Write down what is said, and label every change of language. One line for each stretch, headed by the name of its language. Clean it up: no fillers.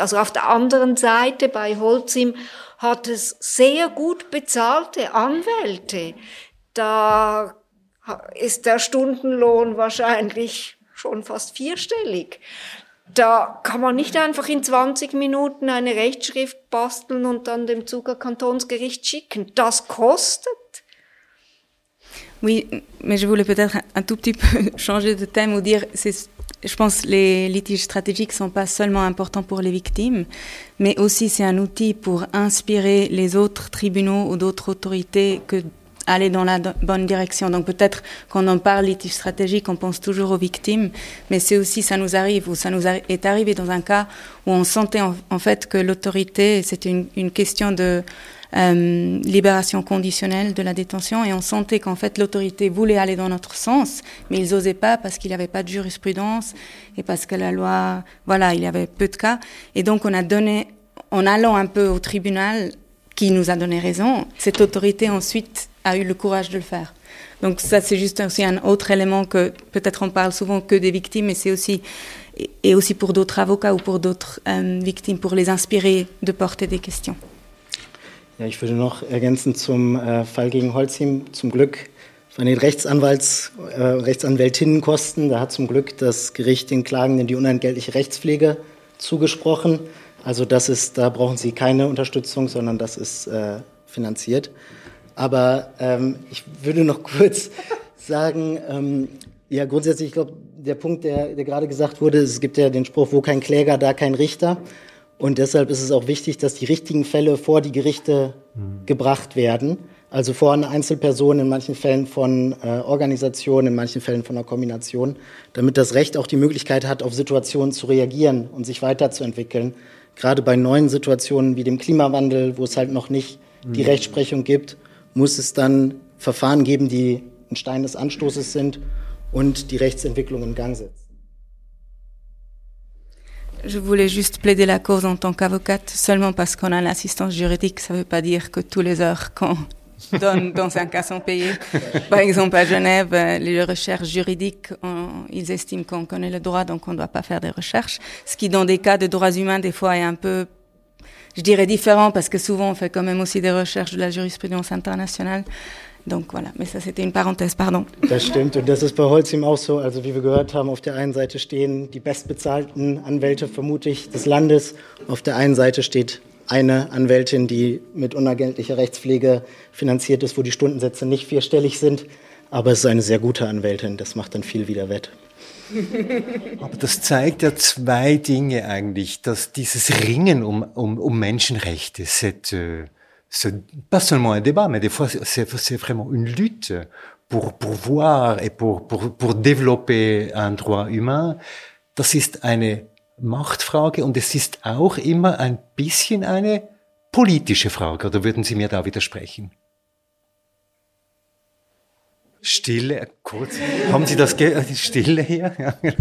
German: Also auf der anderen Seite bei Holcim hat es sehr gut bezahlte Anwälte. Da ist der Stundenlohn wahrscheinlich schon fast vierstellig. Da kann man nicht einfach in 20 Minuten eine Rechtsschrift basteln und dann dem Zuger Kantonsgericht schicken. Das kostet.
French: Oui, mais je voulais peut-être un tout petit peu changer de thème ou dire, je pense que les litiges stratégiques sont pas seulement importants pour les victimes, mais aussi c'est un outil pour inspirer les autres tribunaux ou d'autres autorités que aller dans la bonne direction. Donc peut-être quand on parle litige stratégique, on pense toujours aux victimes, mais c'est aussi, ça nous arrive, ou ça nous est arrivé dans un cas où on sentait en fait que l'autorité, c'était une question de libération conditionnelle de la détention, et on sentait qu'en fait l'autorité voulait aller dans notre sens, mais ils n'osaient pas parce qu'il n'y avait pas de jurisprudence, et parce que la loi, voilà, il y avait peu de cas. Et donc on a donné, en allant un peu au tribunal, qui nous a donné raison, cette autorité ensuite a eu le courage de le faire. Donc ça, c'est juste aussi un autre élément que peut-être on parle souvent que des victimes, mais c'est aussi, et aussi pour d'autres avocats ou pour d'autres victimes, pour les inspirer de porter des questions.
German: Ja, ich würde noch ergänzen zum Fall gegen Holcim. Zum Glück von den Rechtsanwältinnenkosten, da hat zum Glück das Gericht den Klagenden die unentgeltliche Rechtspflege zugesprochen. Also das ist, da brauchen sie keine Unterstützung, sondern das ist finanziert. Aber ich würde noch kurz sagen, ja, grundsätzlich, ich glaube, der Punkt, der gerade gesagt wurde, es gibt ja den Spruch, wo kein Kläger, da kein Richter. Und deshalb ist es auch wichtig, dass die richtigen Fälle vor die Gerichte gebracht werden. Also vor einer Einzelperson, in manchen Fällen von Organisationen, in manchen Fällen von einer Kombination, damit das Recht auch die Möglichkeit hat, auf Situationen zu reagieren und sich weiterzuentwickeln. Gerade bei neuen Situationen wie dem Klimawandel, wo es halt noch nicht die Rechtsprechung gibt, muss es dann Verfahren geben, die ein Stein des Anstoßes sind und die Rechtsentwicklung in Gang setzen.
French: Je voulais juste plaider la cause en tant qu'avocate, seulement parce qu'on a l'assistance juridique, ça ne veut pas dire que tous les heures qu'on donne dans un cas sont payées. Par exemple, à Genève, les recherches juridiques, ils estiment qu'on connaît le droit, donc on ne doit pas faire des recherches. Ce qui, dans des cas de droits humains, des fois, est un peu, je dirais, différent, parce que souvent, on fait quand même aussi des recherches de la jurisprudence internationale. Donc voilà, mais ça c'était une parenthèse, pardon.
German: Das stimmt, und das ist bei Holcim auch so. Also wie wir gehört haben, auf der einen Seite stehen die bestbezahlten Anwälte vermutlich des Landes. Auf der einen Seite steht eine Anwältin, die mit unentgeltlicher Rechtspflege finanziert ist, wo die Stundensätze nicht vierstellig sind. Aber es ist eine sehr gute Anwältin, das macht dann viel wieder wett. Aber das zeigt ja zwei Dinge eigentlich, dass dieses Ringen um Menschenrechte,
French: c'est pas seulement un débat, mais des fois c'est vraiment une lutte pour voir et pour développer un droit humain.
German: Das ist eine Machtfrage und es ist auch immer ein bisschen eine politische Frage. Oder würden Sie mir da widersprechen? Stille, kurz. Haben Sie das Stille hier?